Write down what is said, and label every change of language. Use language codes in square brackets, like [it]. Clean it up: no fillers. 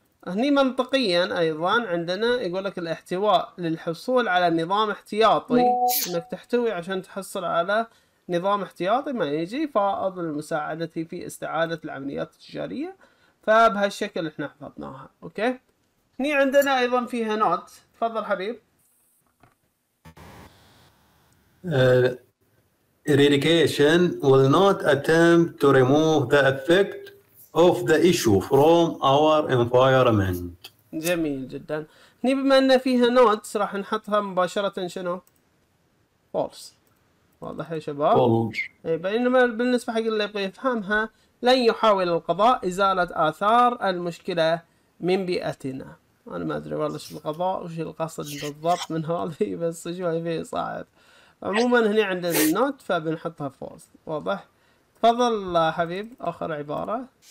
[ar] هني منطقيا ايضا عندنا يقول لك الاحتواء للحصول على نظام احتياطي انك تحتوي عشان تحصل على نظام احتياطي ما يجي فائض للمساعدة في استعادة العمليات التجارية فبهالشكل احنا حفظناها اوكي هني عندنا ايضا فيها نوت تفضل حبيب [en] eradication will not attempt to remove the effect of the issue from our environment [ar] جميل جدا هني بما ان فيها نوت راح نحطها مباشرة شنو false واضح يا شباب اي بينما بالنسبه حق اللي يبغى يفهمها لن يحاول القضاء ازاله اثار المشكله من بيئتنا انا ما ادري والله ايش القضاء وايش القصد بالضبط من هذه بس شوي فيه صعب عموما هنا عندنا النوت فبنحطها فوز واضح تفضل حبيب اخر عباره